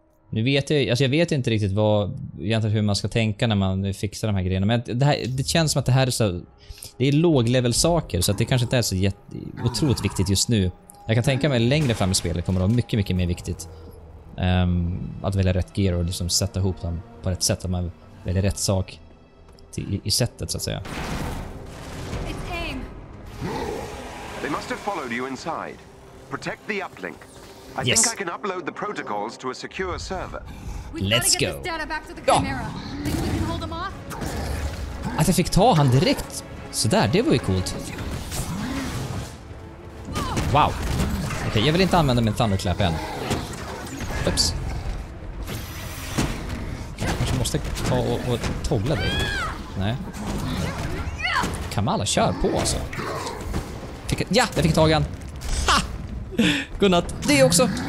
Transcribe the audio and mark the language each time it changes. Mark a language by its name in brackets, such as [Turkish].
[Swedish] Nu vet jag, alltså jag vet inte riktigt vad egentligen hur man ska tänka när man fixar de här grejerna, men det här, det känns som att det här är så, det är låglevel saker, så att det kanske inte är så otroligt viktigt just nu. Jag kan tänka mig längre fram i spelet kommer det vara mycket mycket mer viktigt att välja rätt gear och liksom sätta ihop dem på rätt sätt, att man väljer rätt sak till, i sättet så att säga. [English] It's aim. They must have followed you inside. Protect the uplink. I yes. think I can upload the protocols to a secure server. Let's go. We've got to get this data back to the Chimera. Think we can hold them off? [Swedish] Att jag fick ta han direkt. Sådär, det var ju coolt. Wow. Okej, okay, jag vill inte använda min thunderclap än. Oops. Kanske måste ta och toggla dig. Nej. Kamala, kör på alltså. Ja, jag fick tag i han. Godnatt, det också.